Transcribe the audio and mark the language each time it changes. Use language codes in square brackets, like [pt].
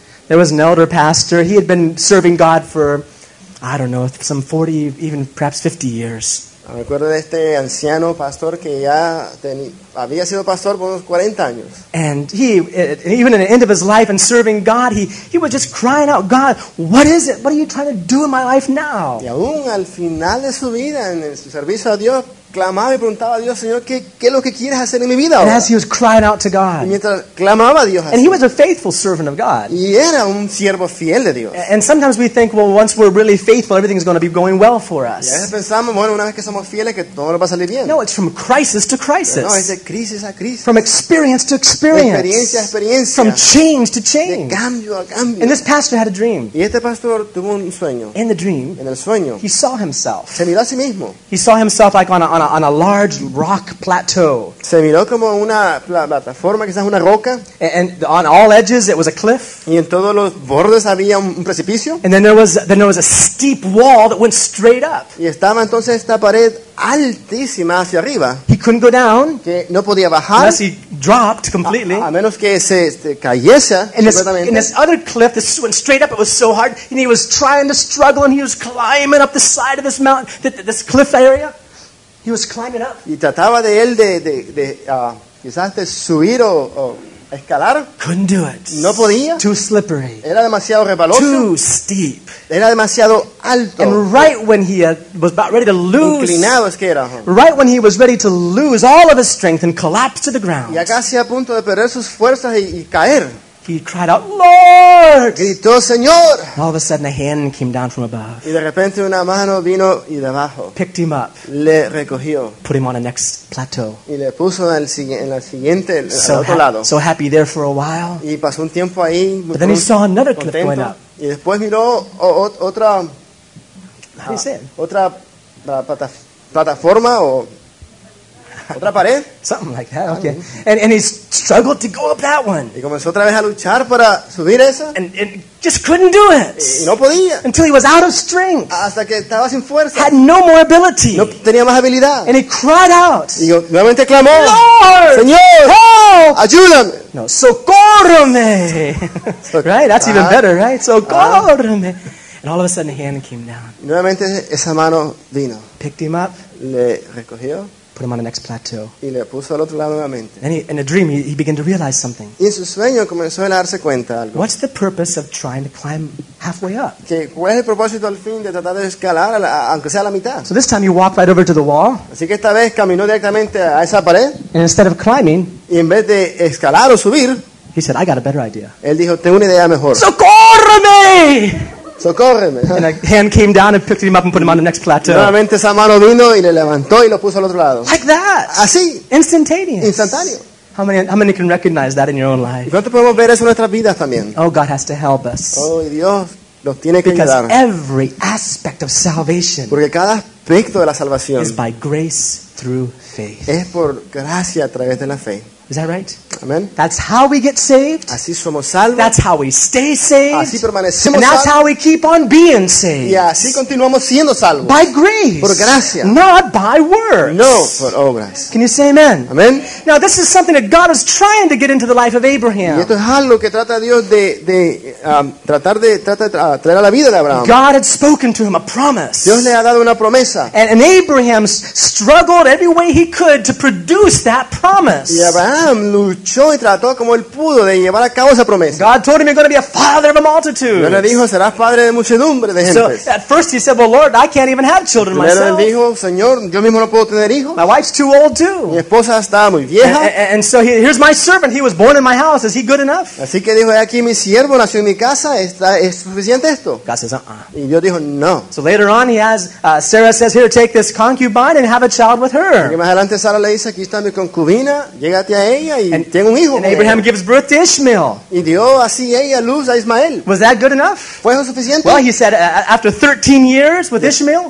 [en] There was an elder pastor. He had been serving God for, I don't know, some 40, even perhaps 50 years. [es] Recuerdo de este anciano pastor que ya había sido pastor por unos 40 años. [en] And he, even at the end of his life and serving God, he was just crying out, God, what is it? What are you trying to do in my life now? [es] Y aún al final de su vida, en su servicio a Dios, clamaba y preguntaba a Dios, Señor, ¿qué es lo que quieres hacer en mi vida ahora? [en] And as he was crying out to God. [es] Y mientras clamaba a Dios así. [en] And he was a faithful servant of God. [es] Y era un siervo fiel de Dios. [en] And sometimes we think, well, once we're really faithful, everything's going to be going well for us. [es] Y a veces pensamos, bueno, una vez que somos fieles, que todo va a salir bien. [en] No, it's from crisis to crisis. [es] Pero no, es de crisis a crisis. [en] From experience to experience. [es] De experiencia a experiencia. [en] From change to change. [es] De cambio a cambio. [en] And this pastor had a dream. [es] Y este pastor tuvo un sueño. [en] In the dream. [es] En el sueño. [en] He saw himself. [es] Se miró a sí mismo. [en] He saw himself like on a large rock plateau. [es] Se miró como una plataforma, quizás una roca. [en] And on all edges, it was a cliff. [es] Y en todos los bordes había un precipicio. [en] And then there was a steep wall that went straight up. [es] Y estaba entonces esta pared altísima hacia arriba. [en] He couldn't go down. [es] Que no podía bajar. [en] Unless he dropped completely. [es] A menos que se cayese completamente. [en] And this other cliff, this went straight up. It was so hard, and he was trying to struggle, and he was climbing up the side of this mountain, this cliff area. He was climbing up. [es] Y trataba de él quizás de subir o escalar. [en] Couldn't do it. [es] No podía. [en] Too slippery. [es] Era demasiado resbaloso. [en] Too steep. [es] Era demasiado alto. [en] And right when he was about ready to lose. [es] Inclinado es que era. [en] Right when he was ready to lose all of his strength and collapse to the ground. [es] Ya casi a punto de perder sus fuerzas y caer. [en] He cried out, Lord! [es] Gritó, Señor! [en] And all of a sudden, a hand came down from above. [es] Y de repente una mano vino y debajo. [en] Picked him up. [es] Le recogió. [en] Put him on the next plateau. [es] Y le puso en la siguiente, [en] so [es] al otro lado. [en] So happy there for a while. [es] Y pasó un tiempo ahí, [en] but then he saw another cliff going up. [es] Y después miró otra... [en] How do you say it? [es] Otra plataforma o... ¿Otra pared? [en] Something like that, okay. And he struggled to go up that one. [es] Y comenzó otra vez a luchar para subir esa. [en] And just couldn't do it. [es] Y no podía. [en] Until he was out of strength. [es] Hasta que estaba sin fuerza. [en] Had no more ability. [es] No tenía más habilidad. [en] And he cried out. [es] Y nuevamente clamó. [en] Lord! [es] Señor! [en] Help! [es] Ayúdame! No, socórrame! [en] Right? That's even better, right? [es] Socórrame! [en] And all of a sudden, a hand came down. [es] Nuevamente, esa mano vino. [en] Picked him up. [es] Le recogió. [en] Put him on the next plateau. [es] Y le puso al otro lado nuevamente. [en] And in a dream, he began to realize something. [es] Y en su sueño comenzó a darse cuenta algo. [en] What's the purpose of trying to climb halfway up? [es] Que, ¿cuál es el propósito al fin de tratar de escalar, aunque sea a la mitad? [en] So this time he walked right over to the wall. [es] Así que esta vez caminó directamente a esa pared. [en] And instead of climbing, [es] y en vez de escalar o subir, [en] he said, I got a better idea. [es] Él dijo, tengo una idea mejor. ¡Socórreme! Socórreme. [en] And a hand came down and picked him up and put him on the next plateau. [es] Nuevamente esa mano vino y le levantó y lo puso al otro lado. [en] Like that. [es] Así. [en] Instantaneous. [es] Instantáneo. [en] How many can recognize that in your own life? [es] ¿Cuánto podemos ver eso en nuestras vidas también? [en] Oh, God has to help us. [es] Oh, Dios nos tiene que [en] because [es] ayudar. [en] Because every aspect of salvation. [es] Porque cada aspecto de la salvación. [en] Is by grace through faith. [es] Es por gracia a través de la fe. [en] Is that right? [es] Amen. [en] That's how we get saved. [es] Así somos salvos. [en] That's how we stay saved. [es] Así permanecemos salvos. [en] And that's [es] salvos. [en] How we keep on being saved. [es] Y así continuamos siendo salvos. [en] By grace. [es] Por gracia. [en] Not by works. [es] No, por obras. [en] Can you say amen? [es] Amen. [en] Now this is something that God is trying to get into the life of Abraham. [es] Y esto es algo que trata Dios de traer a la vida de Abraham. [en] God had spoken to him a promise. [es] Dios le ha dado una promesa. [en] And Abraham struggled every way he could to produce that promise. [es] Y Abraham luchó y trató como él pudo de llevar a cabo esa promesa. [en] God told him you're going to be a father of a multitude. [es] Dios le dijo, serás padre de muchedumbre de gente. [en] So at first he said, well, Lord, I can't even have children [es] primero [en] myself. [es] Él dijo, Señor, yo mismo no puedo tener hijos. [en] My wife's too old too. [es] Mi esposa está muy vieja. [en] And so here's my servant. He was born in my house. Is he good enough? [es] Así que dijo, aquí mi siervo nació en mi casa. ¿Es suficiente esto? [en] God says, uh-uh. [es] Y Dios dijo, no. [en] So later on he has, Sarah says, here, take this concubine and have a child with her. [es] Y más adelante Sarah le dice, aquí está mi concubina. Llégate a ella y ten un hijo. [en] And Abraham gives birth to Ishmael. [es] Y dio así ella luz a Ismael. [en] Was that good enough? [es] ¿Fue eso suficiente? [en] Well, he said, after 13 years with Ishmael.